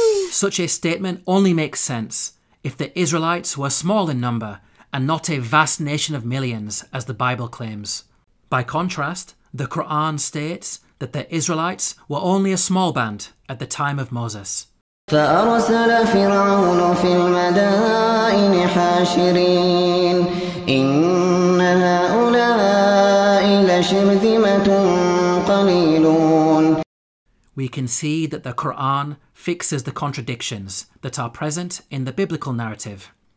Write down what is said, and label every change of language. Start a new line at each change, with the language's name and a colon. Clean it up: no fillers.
English: Such a statement only makes sense if the Israelites were small in number and not a vast nation of millions, as the Bible claims. By contrast, the Quran states that the Israelites were only a small band at the time of Moses.
Arabic: فأرسل فرعون في المدائن حاشرين إن هؤلاء لشرذمة قليلون.
English: We can see that the Quran fixes the contradictions that are present in the biblical narrative.